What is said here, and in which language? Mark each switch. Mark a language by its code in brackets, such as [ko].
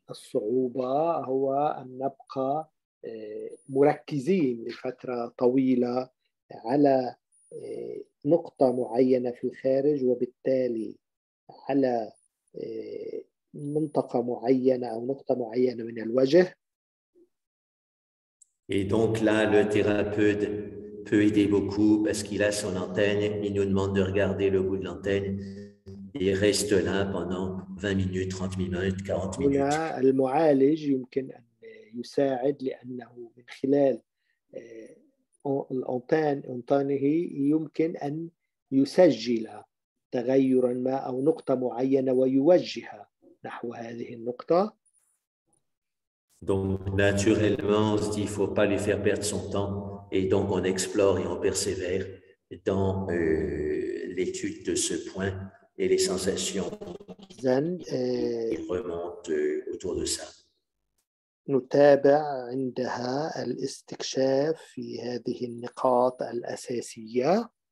[ar] الصعوبة هو أن نبقى مركزين لفترة طويلة على نقطة معينة في الخارج وبالتالي على منطقة معينة أو نقطة معينة من الوجه. [fr] Et donc là, le thérapeute peut aider beaucoup parce qu'il a son antenne, il nous demande de regarder le bout de l'antenne. Il reste là pendant 20 minutes, 30 minutes, 40 minutes. [ar] هنا المعالج يمكن أن يساعد لأنه من خلال الأنتانه يمكن أن يسجل تغيرا ما أو نقطة معينة ويوجه نحو هذه النقطة. [fr] Donc naturellement, on se dit, il ne faut pas lui faire perdre son temps, et donc on explore et on persévère dans l'étude de ce point. Et les sensations qui remontent autour de ça. [ar] نتابع عندها الاستكشاف في هذه النقاط الأساسية.